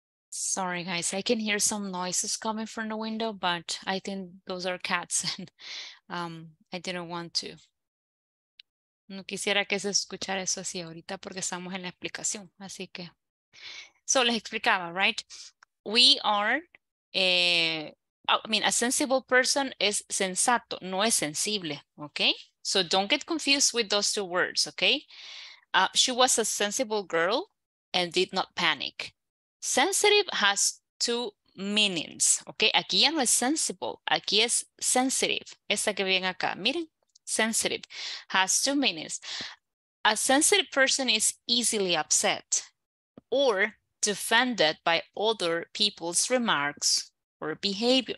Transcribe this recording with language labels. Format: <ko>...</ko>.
<en>Sorry, guys, I can hear some noises coming from the window, but I think those are cats and I didn't want to.</en> <es>No quisiera que se escuchara eso así ahorita porque estamos en la explicación, así que.</es> <en>So,</en> <es>les explicaba,</es> <en>right? We are, a sensible person is sensato,</en> <es>no es sensible,</es> <en>okay? So, don't get confused with those two words, okay? She was a sensible girl and did not panic. Sensitive has two meanings, okay?</en> <es>Aquí ya no es sensible, aquí es sensitive. Esta que viene acá, miren,</es> <en>sensitive has two meanings. A sensitive person is easily upset or defended by other people's remarks or behavior.</en>